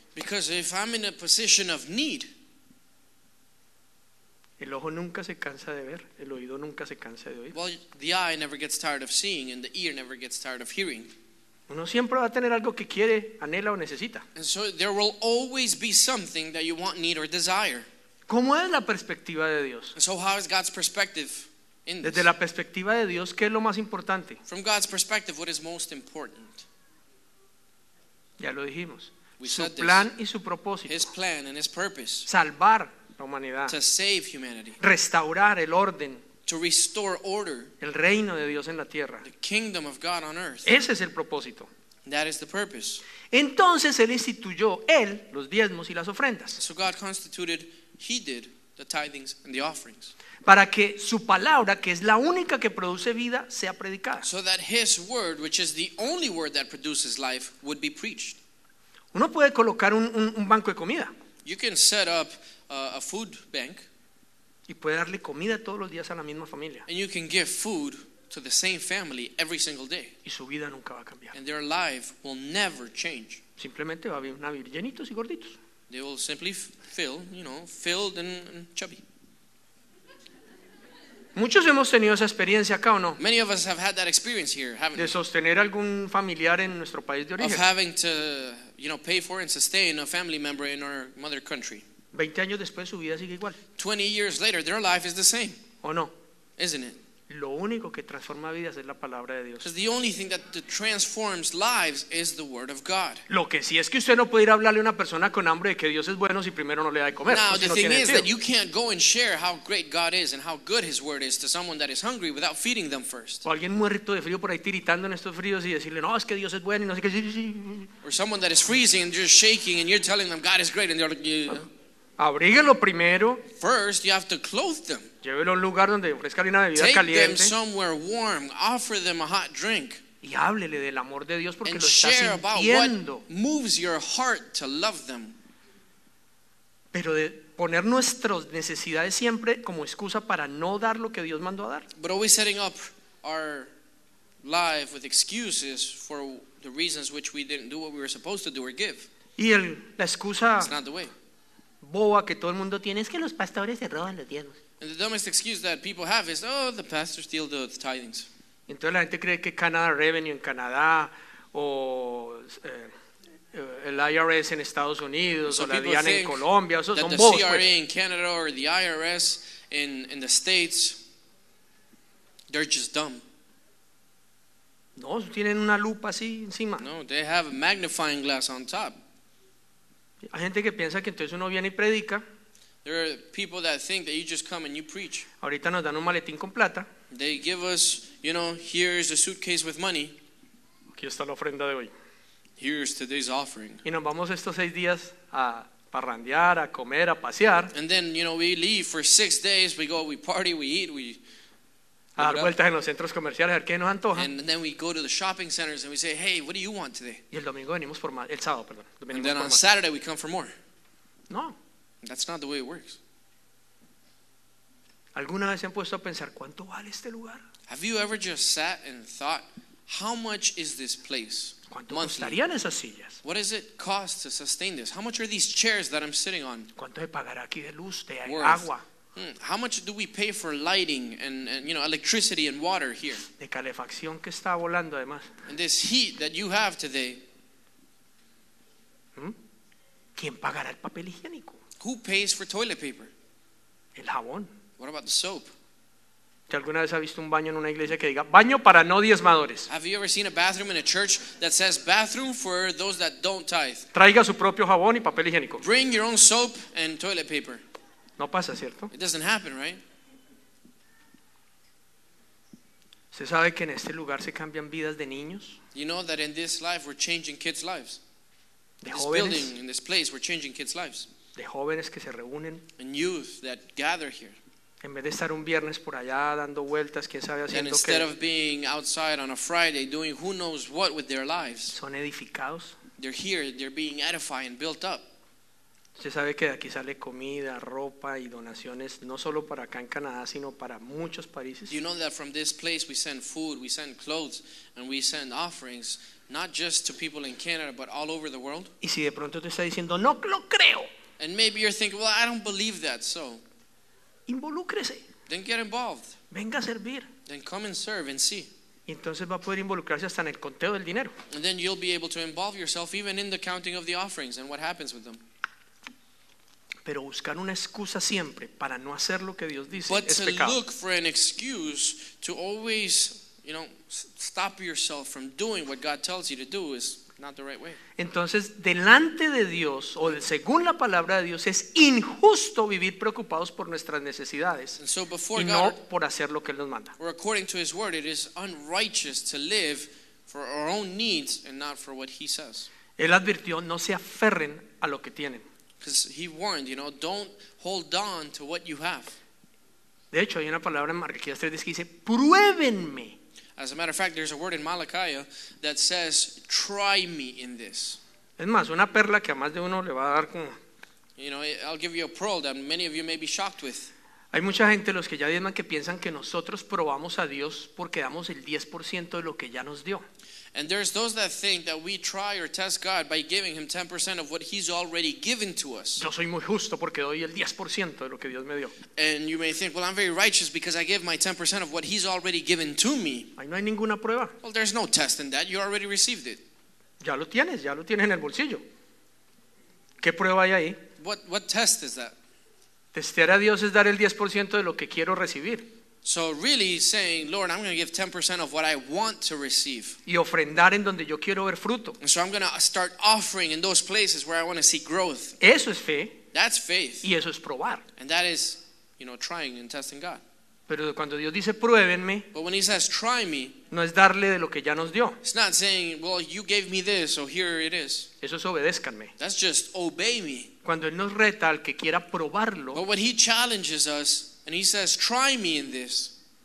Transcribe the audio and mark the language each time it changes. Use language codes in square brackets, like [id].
[en] Because if I'm in a position of need. [es] El ojo nunca se cansa de ver, el oído nunca se cansa de oír. [en] Well, the eye never gets tired of seeing and the ear never gets tired of hearing. [es] Uno siempre va a tener algo que quiere, anhela o necesita. [en] And so there will always be something that you want, need or desire. [es] ¿Cómo es la perspectiva de Dios? [en] So how is God's perspective in this? [es] Desde la perspectiva de Dios, ¿qué es lo más importante? [en] From God's perspective, what is most important? [es] Ya lo dijimos. [en] We [es] su plan [en] this. [es] Y su propósito. [en] His plan and his purpose. [es] Salvar la humanidad. [en] To save humanity. [es] Restaurar el orden. [en] To restore order. [es] El reino de Dios en la tierra. [en] The kingdom of God on earth. [es] Ese es el propósito. [en] That is the purpose. [es] Entonces él instituyó él los diezmos y las ofrendas. [en] So God constituted He did the tithings and the offerings. [es] Para que su palabra, que es la única que produce vida, sea predicada. [en] So that his word, which is the only word that produces life, would be preached. [es] Uno puede colocar un banco de comida. [en] You can set up a food bank. [es] Y puede darle comida todos los días a la misma familia. [en] And you can give food to the same family every single day. [es] Y su vida nunca va a cambiar. [en] And their life will never change. [es] Simplemente va a vivir llenitos y gorditos. [en] They will simply fill, you know, filled and chubby. [es] Muchos hemos tenido esa experiencia acá, ¿o no? [en] Many of us have had that experience here, haven't we? [es] De sostener algún familiar en nuestro país de origen. [en] Of having to, you know, pay for and sustain a family member in our mother country. [es] 20 años después su vida sigue igual. [en] 20 years later, their life is the same. [es] ¿O no? [en] Isn't it? [es] Lo único que transforma vidas es la palabra de Dios. [en] Because the only thing that transforms lives is the word of God. [es] Lo que sí es que usted no puede ir a hablarle a una persona con hambre de que Dios es bueno si primero no le da de comer. [en] Now, the thing is that you can't go and share how great God is and how good his word is to someone that is hungry without feeding them first. [es] O alguien muerto de frío por ahí tiritando en estos fríos y decirle, "No, es que Dios es bueno" y no sé qué. [en] Or someone that is freezing and just shaking and you're telling them God is great and they're like, yeah. [es] Abríguelo primero. [en] First, you have to clothe them. [es] Llévelo a un lugar donde ofrezca una bebida [en] Take [es] caliente. [en] Them somewhere warm. Offer them a hot drink. [es] Y háblele del amor de Dios porque lo está sintiendo. [en] What moves your heart to love them. [es] Pero de poner nuestras necesidades siempre como excusa para no dar lo que Dios mandó a dar. [en] But always setting up our life with excuses for the reasons which we didn't do what we were supposed to do or give. [es] Y el, la excusa. [en] It's not the way. [es] Boa que todo el mundo tiene es que los pastores se roban los diezmos. [en] And the dumbest excuse that people have is, oh, the pastors steal the tithings. [es] Entonces la gente cree que Canada Revenue en Canadá o el IRS en Estados Unidos [en] so [es] o la DIAN en Colombia, esos son boas. [en] The [es] pues. [en] In Canada or the IRS in the States, they're just dumb. [es] No, tienen una lupa así encima. [en] No, they have a magnifying glass on top. [es] Hay gente que piensa que entonces uno viene y predica. [en] There are people that think that you just come and you preach. [es] Ahorita nos dan un maletín con plata. [en] They give us, you know, here's a suitcase with money. [es] Aquí está la ofrenda de hoy. [en] Here's today's offering. [es] Y nos vamos estos seis días a parrandear, a comer, a pasear. [en] And then, you know, we leave for six days. We go, we party, we eat, we... [es] A dar vueltas en los centros comerciales, a ver qué nos antoja. [en] And then we go to the shopping centers and we say, hey, what do you want today? [es] Y el domingo venimos por más, el sábado, perdón. [en] And then on Saturday we come for more. [es] No. [en] That's not the way it works. [es] ¿Alguna vez se han puesto a pensar cuánto vale este lugar? [en] Have you ever just sat and thought, how much is this place? [es] ¿Cuánto costarían esas sillas? [en] What does it cost to sustain this? How much are these chairs that I'm sitting on? [es] ¿Cuánto se pagará aquí de luz, de agua? [en] How much do we pay for lighting and you know electricity and water here? [es] De calefacción que está volando además. [en] And this heat that you have today. [es] ¿Quién pagará el papel higiénico? [en] Who pays for toilet paper? [es] El jabón. [en] What about the soap? [es] ¿Te alguna vez has visto un baño en una iglesia que diga baño para no diezmadores? [en] Have you ever seen a bathroom in a church that says bathroom for those that don't tithe? [es] Traiga su propio jabón y papel higiénico. [en] Bring your own soap and toilet paper. [es] No pasa, ¿cierto? [en] It doesn't happen, right? [es] ¿Se sabe que en este lugar se cambian vidas de niños? [en] You know that in this life we're changing kids' lives. [es] De jóvenes. [en] This building, in this place, we're changing kids' lives. [es] De jóvenes que se reúnen. [en] And youth that gather here. [es] En vez de estar un viernes por allá dando vueltas, quién sabe haciendo qué. [en] And instead of being outside on a Friday doing who knows what with their lives. [es] Son edificados. [en] They're here, they're being edified and built up. [es] Usted sabe que de aquí sale comida, ropa y donaciones no solo para acá en Canadá, sino para muchos países. [en] You know that from this place we send food, we send clothes, and we send offerings not just to people in Canada but all over the world. [es] Y si de pronto te está diciendo no lo creo. [en] And maybe you're thinking, well, I don't believe that, so. [es] Involúcrese. [en] Then get involved. [es] Venga a servir. [en] Then come and serve and see. [es] Y entonces va a poder involucrarse hasta en el conteo del dinero. [en] And then you'll be able to involve yourself even in the counting of the offerings and what happens with them. [es] Pero buscar una excusa siempre para no hacer lo que Dios dice [en] but [es] es pecado. [en] But to look for an excuse to always, you know, stop yourself from doing what God tells you to do is not the right way. [es] Entonces, delante de Dios o según la palabra de Dios es injusto vivir preocupados por nuestras necesidades [en] and so before [es] y [en] God, [es] no por hacer lo que Él nos manda. [en] Or according to His word, it is unrighteous to live for our own needs and not for what He says. [es] Él advirtió, no se aferren a lo que tienen. [en] Because he warned, you know, don't hold on to what you have. [es] De hecho, hay una palabra en Malaquías 3 que dice, pruébenme. [en] As a matter of fact, there's a word in Malachi that says, try me in this. [es] Es más, una perla que a más de uno le va a dar como... [en] You know, I'll give you a pearl that many of you may be shocked with. [es] Hay mucha gente, los que ya diezman, que piensan que nosotros probamos a Dios porque damos el 10% de lo que ya nos dio. [en] And there's those that think that we try or test God by giving him 10% of what he's already given to us. [es] Yo soy muy justo porque doy el 10% de lo que Dios me dio. [en] And you may think, well, I'm very righteous because I give my 10% of what he's already given to me. [es] Ahí no hay ninguna prueba. [en] Well, there's no test in that. You already received it. [es] Ya lo tienes en el bolsillo. ¿Qué prueba hay ahí? [en] What test is that? [es] Testear a Dios es dar el 10% de lo que quiero recibir. [en] So really saying, Lord, I'm going to give 10% of what I want to receive. [es] Y ofrendar en donde yo quiero ver fruto. [en] And so I'm going to start offering in those places where I want to see growth. [es] Eso es fe. [en] That's faith. [es] Y eso es probar. [en] And that is, you know, trying and testing God. [es] Pero cuando Dios dice, pruébenme, [en] but when he says, try me, [es] no es darle de lo que ya nos dio. [en] It's not saying, well, you gave me this, so here it is. [es] Eso es obedézcanme. [en] That's just obey me. [es] Cuando él nos reta al que quiera probarlo, [en] but when he challenges us, and he says, try me in this.